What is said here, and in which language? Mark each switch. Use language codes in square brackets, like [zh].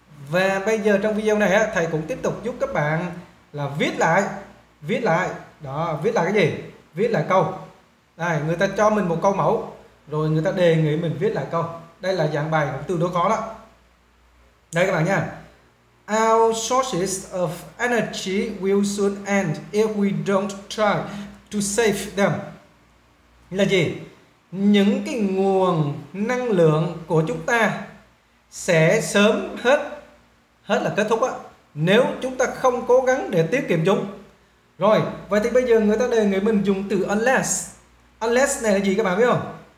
[vi] Và bây giờ trong video này thầy cũng tiếp tục giúp các bạn là viết lại. Đó, viết lại cái gì? Viết lại câu. Đây, người ta cho mình một câu mẫu, rồi người ta đề nghị mình viết lại câu. Đây là dạng bài tương đối khó đó. Đây các bạn nha. [en] Our sources of energy will soon end if we don't try to save them. [vi] Là gì? Những cái nguồn năng lượng của chúng ta sẽ sớm hết là kết thúc á, nếu chúng ta không cố gắng để tiết kiệm chúng. Rồi, vậy thì bây giờ người ta đề nghị mình dùng từ unless. Unless này là gì các bạn biết không?